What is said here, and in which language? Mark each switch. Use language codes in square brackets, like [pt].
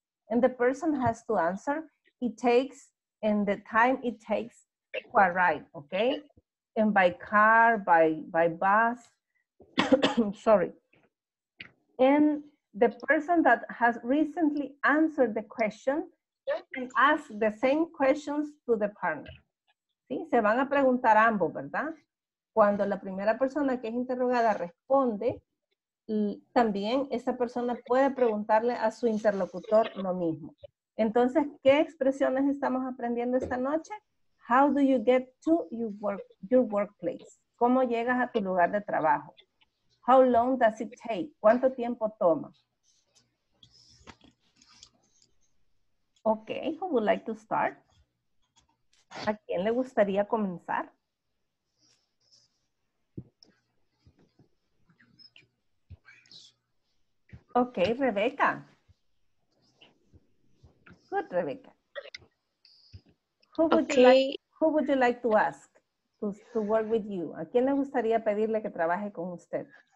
[en] And the person has to answer, it takes, and the time it takes to arrive, okay? And by car, by bus, sorry. And the person that has recently answered the question can ask the same questions to the partner. [es] ¿Sí? Se van a preguntar ambos, ¿verdad? Cuando la primera persona que es interrogada responde, también esa persona puede preguntarle a su interlocutor lo mismo. Entonces, ¿qué expresiones estamos aprendiendo esta noche? [en] How do you get to your workplace? [es] ¿Cómo llegas a tu lugar de trabajo? [en] How long does it take? [es] ¿Cuánto tiempo toma? [en] Okay, who would like to start? [es] ¿A quién le gustaría comenzar? [en] Okay, Rebecca. Good, Rebecca. Who would you like to ask to work with you? [es] ¿A quién le gustaría pedirle que trabaje con usted?